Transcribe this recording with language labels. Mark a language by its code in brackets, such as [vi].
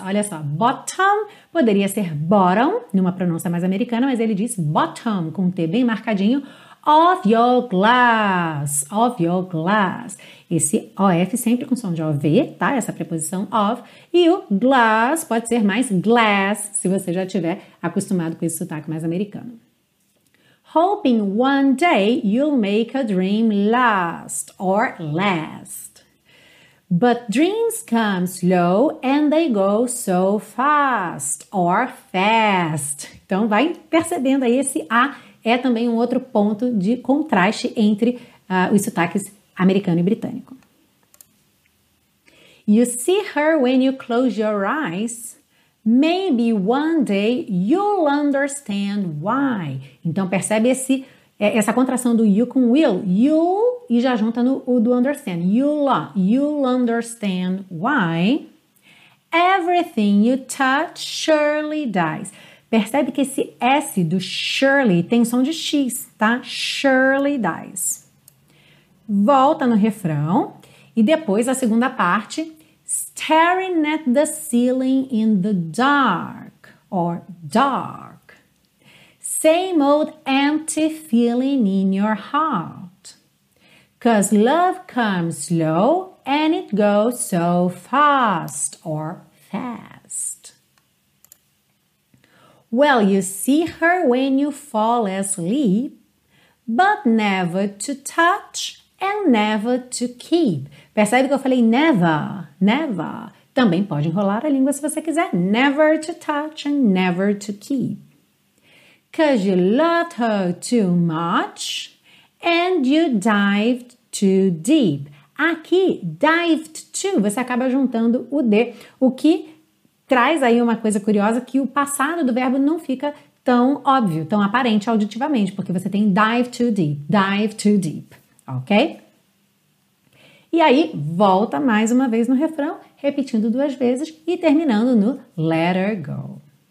[pt] Olha só, bottom poderia ser bottom, numa pronúncia mais americana, mas ele diz bottom, com um T bem marcadinho, [en] of your glass, of your glass. [pt] Esse OF sempre com som de OV, tá? Essa preposição of. E o glass pode ser mais glass, se você já estiver acostumado com esse sotaque mais americano. [en] Hoping one day you'll make a dream last or last. But dreams come slow and they go so fast or fast. [pt] Então vai percebendo aí esse A. É também um outro ponto de contraste entre os sotaques americano e britânico. [en] You see her when you close your eyes. Maybe one day you'll understand why. [pt] Então percebe esse, essa contração do you com will. You'll e já junta no o do understand. [en] You'll understand why. Everything you touch surely dies. [pt] Percebe que esse S do surely tem som de X, tá? [en] Surely dies. [pt] Volta no refrão e depois a segunda parte. [en] Staring at the ceiling in the dark, or dark. Same old empty feeling in your heart. 'Cause love comes slow and it goes so fast, or fast. Well, you see her when you fall asleep, but never to touch and never to keep. [pt] Percebe que eu falei never, never. Também pode enrolar a língua se você quiser. [en] Never to touch and never to keep. 'Cause you loved her too much and you dived too deep. [pt] Aqui, dived to, você acaba juntando o D, o que... Traz aí uma coisa curiosa que o passado do verbo não fica tão óbvio, tão aparente auditivamente, porque você tem [en] dive too deep, dive too deep, [pt] ok? E aí, volta mais uma vez no refrão, repetindo duas vezes e terminando no let her go.